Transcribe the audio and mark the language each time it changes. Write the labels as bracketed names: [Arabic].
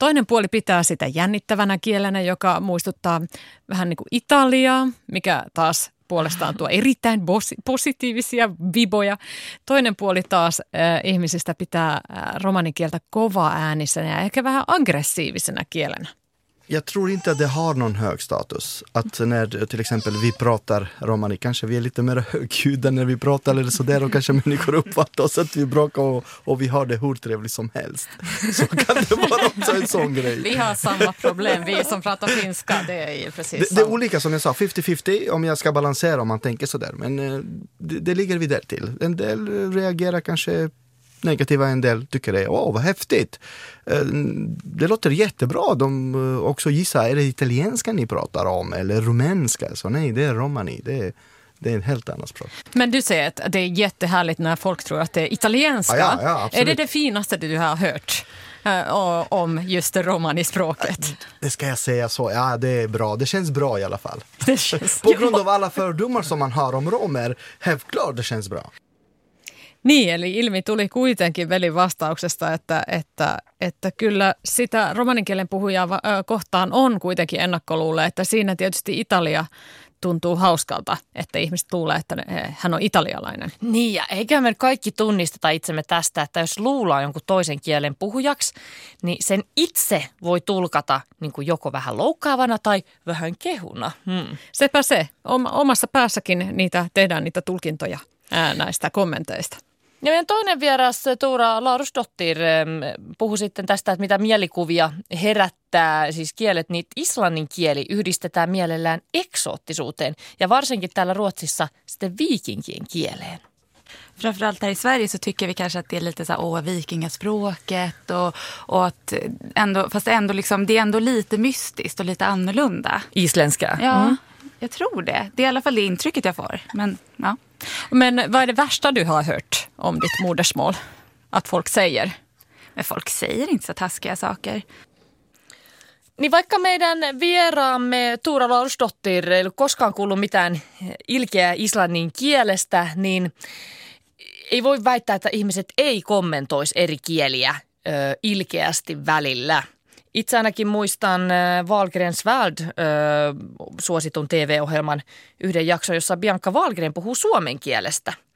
[Finnish] Toinen puoli pitää sitä jännittävänä kielenä, joka muistuttaa vähän niin kuin italiaa, mikä taas puolestaan tuo erittäin positiivisia viboja. Toinen puoli taas ihmisistä pitää romanikieltä kovaa äänisenä ja ehkä vähän aggressiivisena kielenä. [Swedish] Jag tror inte att det har någon hög status. Att när till exempel vi pratar romani, kanske vi är lite mer högljudda när vi pratar eller sådär, och kanske människor uppfattar oss att vi bråkar och vi har det hur trevligt som helst. Så kan det vara också en sån grej. Vi har samma problem, vi som pratar finska, det är precis det, det är olika som jag sa, 50-50 om jag ska balansera om man tänker sådär. Men det ligger vi där till. En del reagerar kanske negativa en del tycker det är, åh, vad häftigt. Det låter jättebra. De också gissar, är det italienska ni pratar om eller rumänska? Så nej, det är romani. Det är en helt annan språk. Men du säger att det är jättehärligt när folk tror att det är italienska. Ja, absolut. Är det det finaste du har hört om just det romani-språket? Det ska jag säga så. Ja, det är bra. Det känns bra i alla fall. Det känns på grund av alla fördomar som man har om romer, självklart det känns bra. [Finnish] Niin, eli ilmi tuli kuitenkin velin vastauksesta, että kyllä sitä romaninkielen puhujaa kohtaan on kuitenkin ennakkoluule, että siinä tietysti Italia tuntuu hauskalta, että ihmiset luulee, että hän on italialainen. Niin, ja eikä me kaikki tunnisteta itsemme tästä, että jos luulaa jonkun toisen kielen puhujaksi, niin sen itse voi tulkata niin kuin joko vähän loukkaavana tai vähän kehuna. Sepä se. Omassa päässäkin tehdään niitä tulkintoja näistä kommenteista. Ja meidän toinen vieras, Tuura Laarusdottir, puhui sitten tästä, että mitä mielikuvia herättää siis kielet, niin islannin kieli yhdistetään mielellään eksoottisuuteen ja varsinkin täällä Ruotsissa sitten viikinkien kieleen. [Swedish] Framförallt här i Sverige så tycker vi kanske att det är lite så här, vikingaspråket och att ändå, fast ändå liksom, det är ändå lite mystiskt och lite annorlunda. Isländska? Ja, jag tror det. Det är i alla fall det intrycket jag får, men ja. Men vad är det värsta du har hört om ditt modersmål att folk säger? Men folk säger inte så taskiga saker. [Finnish] Niin vaikka meidän vieraamme Tuura Laarusdottir ei koskaan kuullut mitään ilkeää islannin kielestä, niin ei voi väittää, että ihmiset ei kommentoisi eri kieliä ilkeästi välillä. Itse ainakin muistan Wahlgrens värld, suositun TV-ohjelman yhden jakson, jossa Bianca Wahlgren puhuu suomen kielestä.